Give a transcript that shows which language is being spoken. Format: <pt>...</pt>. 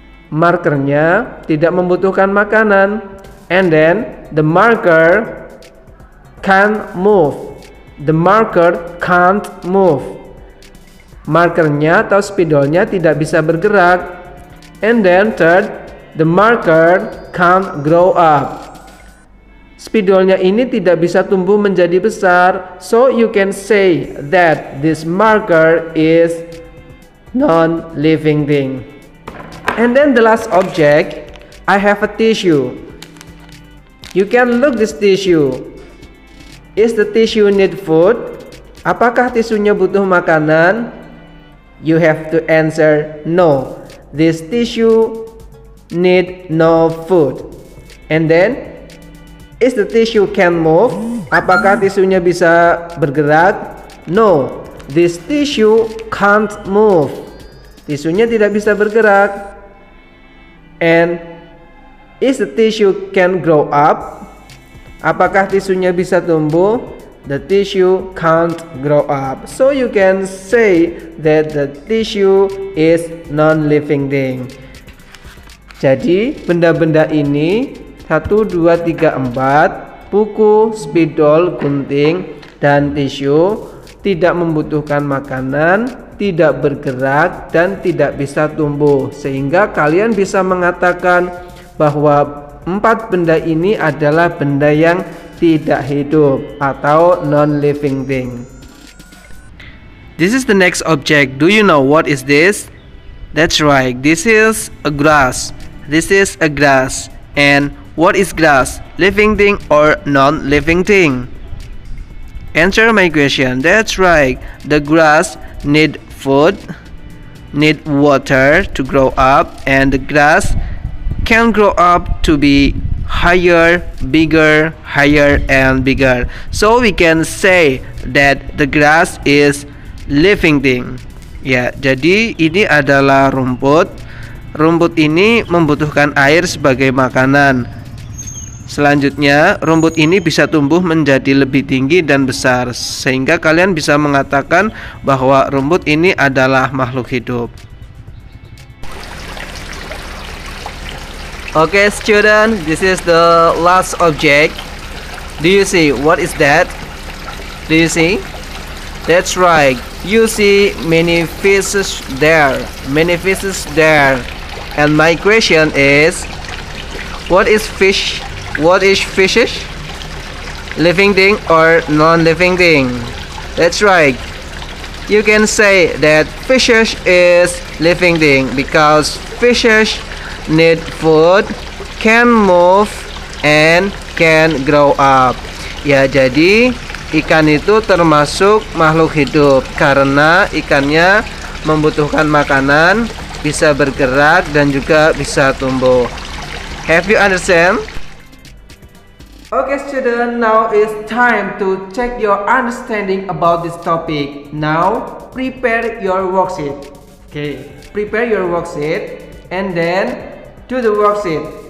<id>Markernya tidak membutuhkan makanan.</id> <en>And then the marker can't move. The marker can't move.</en> <id>Markernya atau spidolnya tidak bisa bergerak.</id> <en>And then third, the marker can't grow up.</en> <id>Spidolnya ini tidak bisa tumbuh menjadi besar.</id> <en>So you can say that this marker is non-living thing. And then the last object, I have a tissue. You can look this tissue. Is the tissue need food?</en> <id>Apakah tisunya butuh makanan?</id> <en>You have to answer no. This tissue need no food. And then, is the tissue can move?</en> <id>Apakah tisunya bisa bergerak?</id> <en>No, this tissue can't move.</en> <id>Tisunya tidak bisa bergerak.</id> <en>And is the tissue can grow up?</en> <id>Apakah tisunya bisa tumbuh?</id> <en>The tissue can't grow up. So you can say that the tissue is non-living thing.</en> <id>Jadi benda-benda ini 1, 2, 3, 4, buku, spidol, gunting, dan tisu tidak membutuhkan makanan, tidak bergerak, dan tidak bisa tumbuh. Sehingga kalian bisa mengatakan bahwa 4 benda ini adalah benda yang tidak hidup atau non-living thing.</id> <en>This is the next object. Do you know what is this? That's right. This is a grass. This is a grass. And what is grass? Living thing or non-living thing? Answer my question. That's right. The grass need food, need water to grow up, and the grass can grow up to be higher, and bigger. So we can say that the grass is living thing.</en> <id>Ya, jadi ini adalah rumput. Rumput ini membutuhkan air sebagai makanan. Selanjutnya, rumput ini bisa tumbuh menjadi lebih tinggi dan besar, sehingga kalian bisa mengatakan bahwa rumput ini adalah makhluk hidup.</id> <en>Okay, student, this is the last object. Do you see what is that? Do you see? That's right. You see many fishes there. Many fishes there. And my question is, what is fish? What is fishes? Living thing or non-living thing? That's right. You can say that fishes is living thing because fishes need food, can move, and can grow up.</en> <id>Ya, jadi ikan itu termasuk makhluk hidup karena ikannya membutuhkan makanan, bisa bergerak dan juga bisa tumbuh.</id> <en>Have you understand? Okay, student, now it's time to check your understanding about this topic. Now, prepare your worksheet. Okay, prepare your worksheet and then do the worksheet.</en>